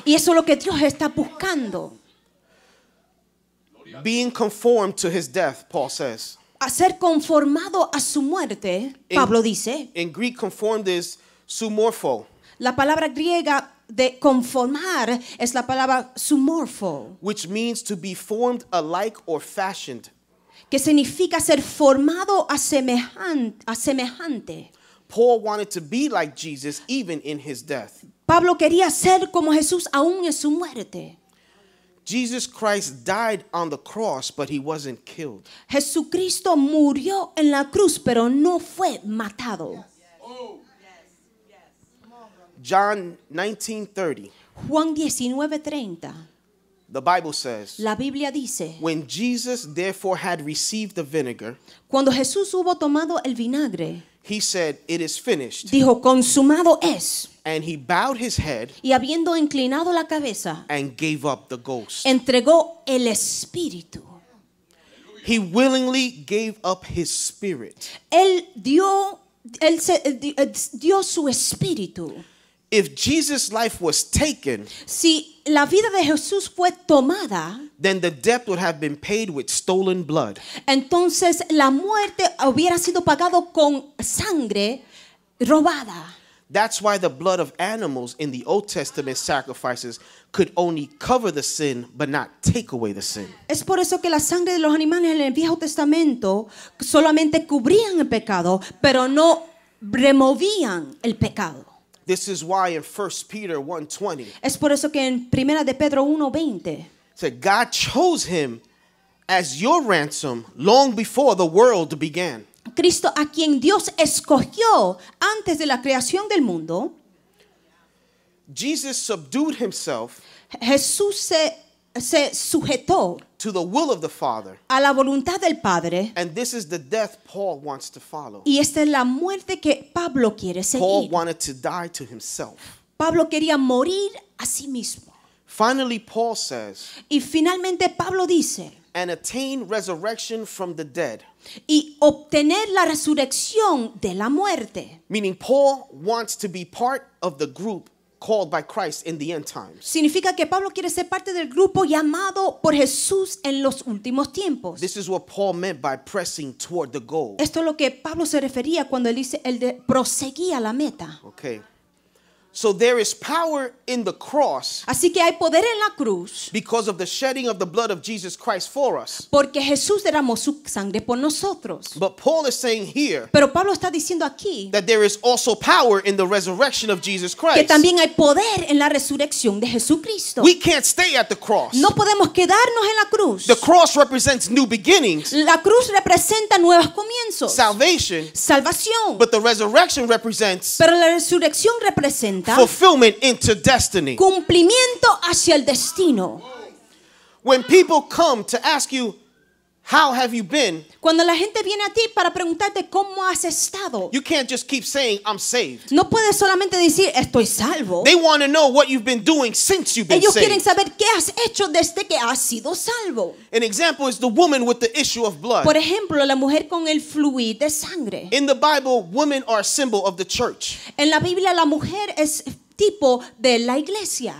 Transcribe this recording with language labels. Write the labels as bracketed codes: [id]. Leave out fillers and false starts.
[es] Y eso es lo que Dios está buscando. [en] Being conformed to his death, Paul says. [es] a ser conformado a su muerte, Pablo dice. [en] In Greek, conformed is sumorpho. [es] La palabra griega de conformar es la palabra sumorpho. [en] Which means to be formed alike or fashioned. [es] Que significa ser formado a semejante. [en] Paul wanted to be like Jesus even in his death. [es] Pablo quería ser como Jesús aún en su muerte. [en] Jesus Christ died on the cross, but he wasn't killed. [es] Jesucristo murió en la cruz, pero no fue matado. [en] John 19:30. [es] Juan 19:30. [en] The Bible says, [es] la Biblia dice, [en] when Jesus therefore had received the vinegar, [es] cuando Jesús hubo tomado el vinagre, [en] he said, it is finished. [es] Dijo, consumado es. [en] And he bowed his head, [es] y habiendo inclinado la cabeza, [en] and gave up the ghost. [es] Entregó el espíritu. [en] He willingly gave up his spirit. [es] Él dio su espíritu. [en] If Jesus' life was taken, [es] si la vida de Jesús fue tomada, [en] then the debt would have been paid with stolen blood. [es] Entonces la muerte hubiera sido pagado con sangre robada. [en] That's why the blood of animals in the Old Testament sacrifices could only cover the sin, but not take away the sin. [es] Es por eso que la sangre de los animales en el Viejo Testamento solamente cubrían el pecado, pero no removían el pecado. [en] This is why in 1 Peter 1:20. [es] Es por eso que en Primera de Pedro 1:20. [en] Said God chose him as your ransom long before the world began. [es] Cristo a quien Dios escogió antes de la creación del mundo. [en] Jesus subdued himself. [es] Jesús se sujetó. [en] To the will of the Father. [es] A la voluntad del Padre. [en] And this is the death Paul wants to follow. [es] Y esta es la muerte que Pablo quiere seguir. [en] Paul wanted to die to himself. [es] Pablo quería morir a sí mismo. [en] Finally, Paul says. [es] Y finalmente Pablo dice. [en] And attain resurrection from the dead. [es] Y obtener la resurrección de la muerte. [en] Meaning Paul wants to be part of the group called by Christ in the end times. [es] Significa que Pablo quiere ser parte del grupo llamado por Jesús en los últimos tiempos. [en] This is what Paul meant by pressing toward the goal. [es] Esto es lo que Pablo se refería cuando él dice él proseguía la meta. [en] Okay. So there is power in the cross. [es] Así que hay poder en la cruz. [en] Because of the shedding of the blood of Jesus Christ for us. [es] Porque Jesús derramó su sangre por nosotros. [en] But Paul is saying here. [es] Pero Pablo está diciendo aquí. [en] That there is also power in the resurrection of Jesus Christ. [es] Que también hay poder en la resurrección de Jesucristo. [en] We can't stay at the cross. [es] No podemos quedarnos en la cruz. [en] The cross represents new beginnings. [es] La cruz representa nuevos comienzos. [en] Salvation. [es] Salvación. [en] But the resurrection represents. [es] Pero la resurrección representa. [en] Fulfillment into destiny. [es] Cumplimiento hacia el destino. [en] When people come to ask you, how have you been? [es] Cuando la gente viene a ti para preguntarte cómo has estado. [en] You can't just keep saying, I'm saved. [es] No puedes solamente decir, estoy salvo. [en] They want to know what you've been doing since you've been [es] ellos [en] saved. [es] Ellos quieren saber qué has hecho desde que has sido salvo. [en] An example is the woman with the issue of blood. [es] Por ejemplo, la mujer con el fluir de sangre. [en] In the Bible, women are a symbol of the church. [es] En la Biblia, la mujer es tipo de la iglesia.